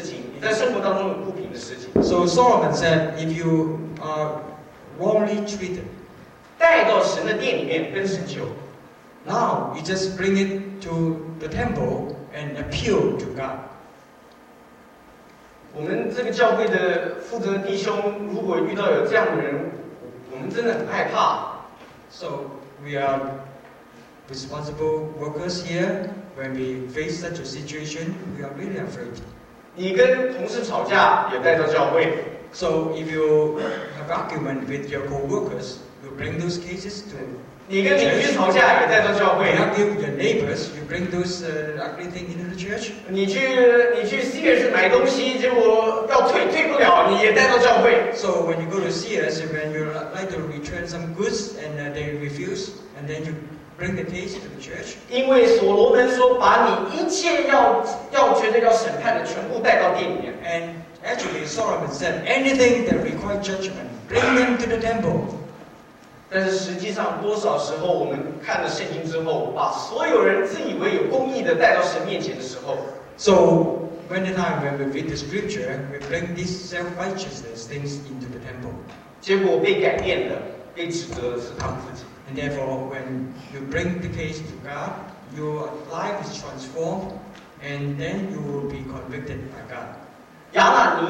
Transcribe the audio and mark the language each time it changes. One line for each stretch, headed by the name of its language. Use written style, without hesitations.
Chinese: 所罗门继续说如果说你中间有不平的事情你在生活当中有不平的事情,
English: so Solomon said if you are wrongly treated,
Chinese: 带到神的殿里面跟神求,
English: now you just bring it to the temple and appeal to God.
Chinese: 我们这个教会的负责弟兄如果遇到有这样的人我们真的很害怕。
English: So we are responsible workers here. When we face such a situation, we are really afraid.
Chinese: 你跟同事吵架也带到教会,
English: so if you have argument with your co-workers, you bring those cases to
Chinese: 你跟你居同下也在做教会。
English: You help your neighbors, you bring those ugly things into the church.
Chinese: 你去Sears买东西，结果要退不了，你也带到教会。
English: So when you go to Sears, when you like to return some goods and they refuse, and then you bring the case to the church.
Chinese: 因为所罗门说，把你一切要觉得要审判的，全部带到殿里面。
English: And actually, Solomon said, anything that requires judgment, bring them to the temple.
Chinese: 但是实际上，多少时候我们看了圣经之后，把所有人自以为有公义的带到神面前的时候，
English: So when the time when we read the scripture, we bring these self-righteousness things into the temple.
Chinese: 结果被改变了，被指责的是他们自己。
English: And therefore, when you bring the case to God, your life is transformed, and then you will be convicted by God.